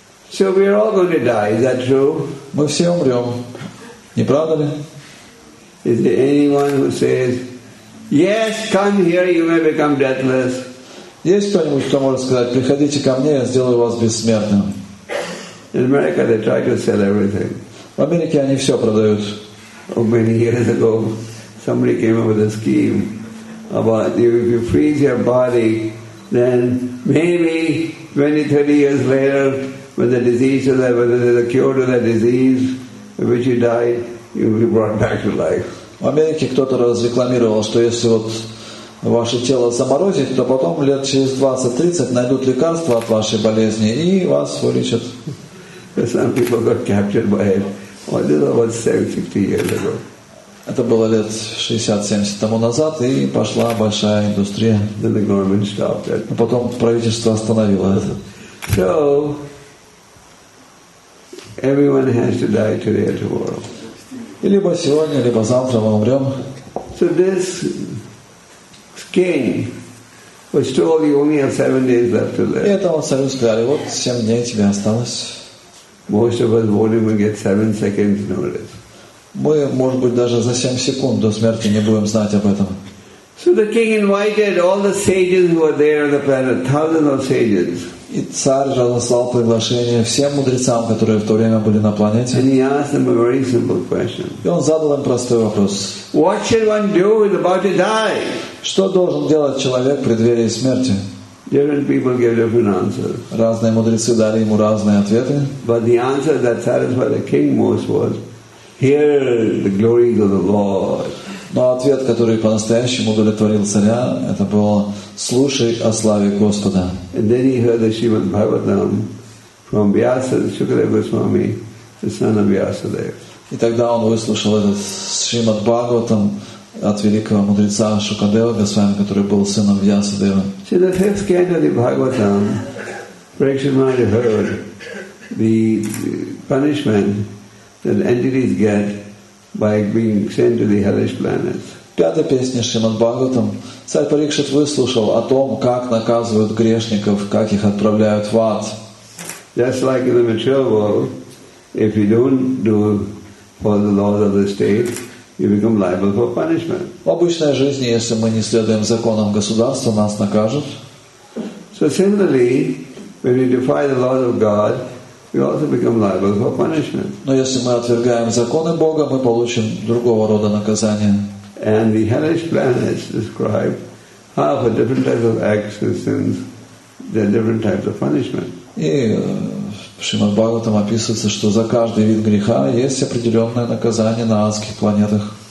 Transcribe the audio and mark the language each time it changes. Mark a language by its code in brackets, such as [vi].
[en] So we are all going to die, is that true? [ru] Мы все умрем. Не правда ли? [en] Is there anyone who says, yes, come here, you may become deathless? [ru] Есть кто-нибудь, кто может сказать, приходите ко мне, я сделаю вас бессмертным? [en] In America, they try to sell everything. [ru] В Америке они все продают. [en] Oh, many years ago, somebody came up with a scheme about if you freeze your body, then maybe 20, 30 years later, when the disease is there, when there's a cure to that disease, in which you died, you'll be brought back to life. [ru] В Америке кто-то разрекламировал, что если вот ваше тело заморозить, то потом лет через 20-30 найдут лекарство от вашей болезни и вас вылечат. [en] Some people got captured by it. Well, this was 70 years ago. [ru] Это было лет 60-70 тому назад, и пошла большая индустрия. [en] Then the government stopped it. [ru] Но потом правительство остановило это. [en] So, everyone has to die today or tomorrow. [ru] И либо сегодня, либо завтра мы умрем. [en] So this skin was told you only have 7 days left to live. [ru] И это вам сразу сказали, вот 7 дней тебе осталось. [en] Most of us won't even get 7 seconds notice. [ru] Мы, может быть, даже за 7 секунд до смерти не будем знать об этом. [en] So the king invited all the sages who were there on the planet, thousands of sages. [ru] И царь разослал приглашение всем мудрецам, которые в то время были на планете. [en] And he asked them a very simple question. [ru] И он задал им простой вопрос. [en] What should one do when about to die? [ru] Что должен делать человек в преддверии смерти? [en] Different people give different answers. [ru] Разные мудрецы дали ему разные ответы. [en] But the answer that satisfied the king most was, "Hear the glories of the Lord." [ru] Но ответ, который по-настоящему удовлетворил царя, это было: "Слушай о славе Господа." [en] And then he heard the Shrimad Bhagavatam from Vyasa, Shukadeva Goswami, the son of Vyasadeva. [ru] И тогда он выслушал этот Шримад Бхагаватам от великого мудреца Шукадева Госвами, который был сыном Вьясадева. [en] See, the fifth canto of the Bhagavatam, Parikshit heard the punishment that entities get by being sent to the hellish planets. [ru] Пятая песня Шримад Бхагаватам. Царь Парикшит выслушал о том, как наказывают грешников, как их отправляют в ад. [en] Just like in the material world, if you don't do for the laws of the state, you become liable for punishment. [ru] В обычной жизни, если мы не следуем законам государства, нас накажут. [en] So similarly, when we defy the laws of God, we also become liable for punishment. [ru] Но если мы отвергаем законы Бога, мы получим другого рода наказание. [en] And the hellish planets describe how for different types of acts and sins there are different types of punishment. [ru] И Шримад Бхагаватам описывается, что за каждый вид греха есть определенное наказание на адских планетах.